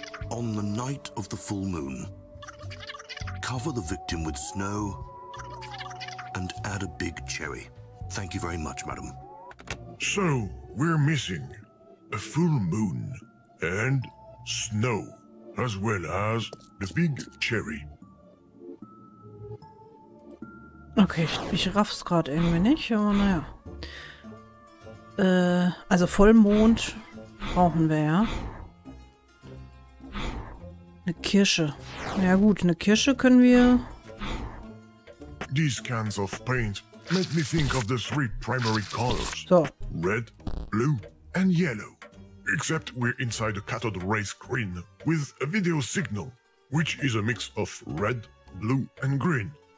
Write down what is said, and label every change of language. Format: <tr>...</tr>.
<en>On the night of the full moon. Cover the victim with snow and add a big cherry. Thank you very much, madam. So, we're missing a full moon and snow, as well as the big cherry.</en> <de>Okay, ich raff's gerade irgendwie nicht, aber naja. Also Vollmond brauchen wir, ja. Eine Kirsche. Ja gut, eine Kirsche können wir.</de> <en>These cans of paint make me think of the three primary colors. So. Red, blue and yellow. Except we're inside a cathode ray screen with a video signal, which is a mix of red, blue and green.</en>